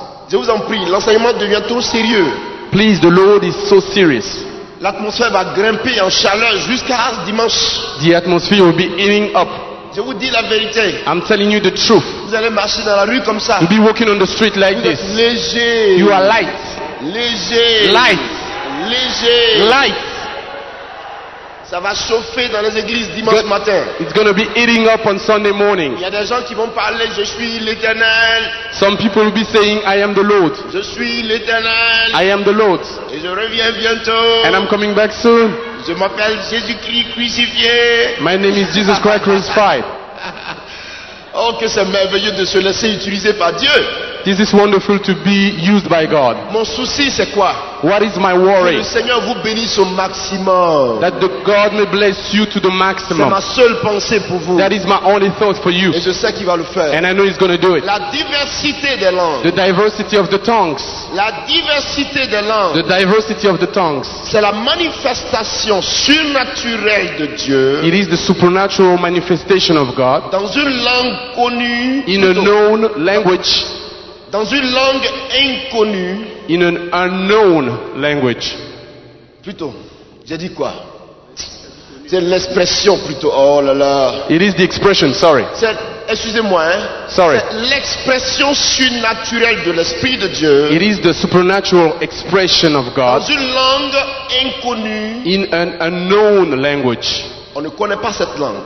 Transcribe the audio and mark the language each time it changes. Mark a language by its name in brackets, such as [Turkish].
[French] Je vous en prie, l'enseignement devient trop sérieux. [English] Please, the Lord is so serious. [French] L'atmosphère va grimper en chaleur jusqu'à dimanche. [English] The atmosphere will be heating up. [French] Je vous dis la vérité. [English] I'm telling you the truth. [French] Vous allez marcher dans la rue comme ça. [English] You'll be walking on the street like [French] vous [English] this. [French] Léger. [English] You are light. [French] Léger. [English] Light. [French] Léger. [English] Light. [French] Ça va chauffer dans les églises dimanche matin. [English] It's going to be heating up on Sunday morning. [French] Il y a des gens qui vont parler, je suis l'Éternel. [English] Some people will be saying, I am the Lord. [French] Je suis l'Éternel. [English] I am the Lord. [French] Et je reviens bientôt. [English] And I'm coming back soon. [French] Je m'appelle Jésus-Christ crucifié. [English] My name is Jesus Christ crucified. [French] Oh, que c'est merveilleux de se laisser utiliser par Dieu. [English] This is wonderful to be used by God. [French] Mon souci c'est quoi? [English] What is my worry? [French] Que le Seigneur vous bénisse au maximum. [English] That the God may bless you to the maximum. [French] C'est ma seule pensée pour vous. [English] That is my only thought for you. [French] Et je sais qu'il va le faire. [English] And I know he's going to do it. [French] La diversité des langues. [English] The diversity of the tongues. [French] La diversité des langues. [English] The diversity of the tongues. [French] C'est la manifestation surnaturelle de Dieu. [English] It is the supernatural manifestation of God. [French] Dans une langue connue. [English] In a known language. [French] Dans une langue inconnue. [English] In an unknown language. [French] Plutôt, j'ai dit quoi? C'est l'expression plutôt. Oh là là. [English] It is the expression, sorry. [French] C'est, excusez-moi. Hein. [English] Sorry. [French] C'est l'expression surnaturelle de l'Esprit de Dieu. [English] It is the supernatural expression of God. [French] Dans une langue inconnue. [English] In an unknown language. [French] On ne connaît pas cette langue.